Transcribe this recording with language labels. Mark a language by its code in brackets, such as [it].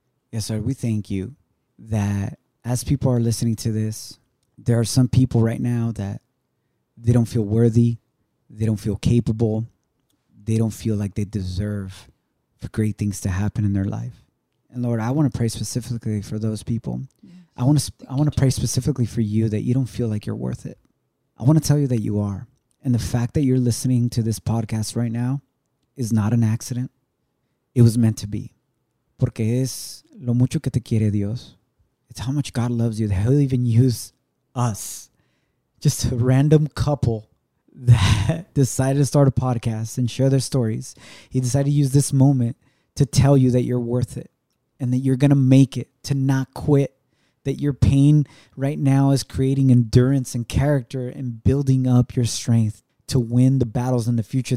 [en] Yes, Lord, we thank you that as people are listening to this, there are some people right now that they don't feel worthy, they don't feel capable, they don't feel like they deserve for great things to happen in their life. And Lord, I want to pray specifically for those people. Yes. I want to pray specifically for you that you don't feel like you're worth it. I want to tell you that you are. And the fact that you're listening to this podcast right now is not an accident. It was meant to be. [es] Porque es lo mucho que te quiere Dios. [en] It's how much God loves you that he'll even use us. Just a random couple that decided to start a podcast and share their stories. He decided to use this moment to tell you that you're worth it. And that you're going to make it, to not quit. That your pain right now is creating endurance and character and building up your strength to win the battles in the future.